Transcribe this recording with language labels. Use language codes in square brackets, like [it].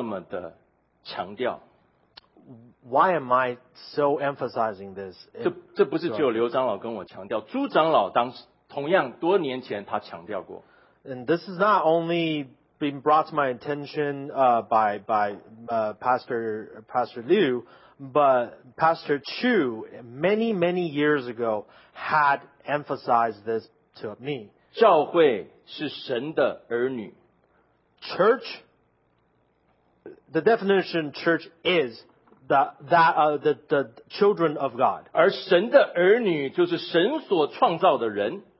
[zh] 为什么我们在我们教会当中这么的强调? [en] Why am I so emphasizing this? [zh] 这不是只有刘长老跟我强调，朱长老当时同样多年前他强调过。 [en] And this is not only been brought to my attention by Pastor Liu, but Pastor Chu many, many years ago had emphasized this to me. [zh] 教会是神的儿女。 [en] Church, the definition church is the children of God. [zh] 而神的儿女就是神所创造的人。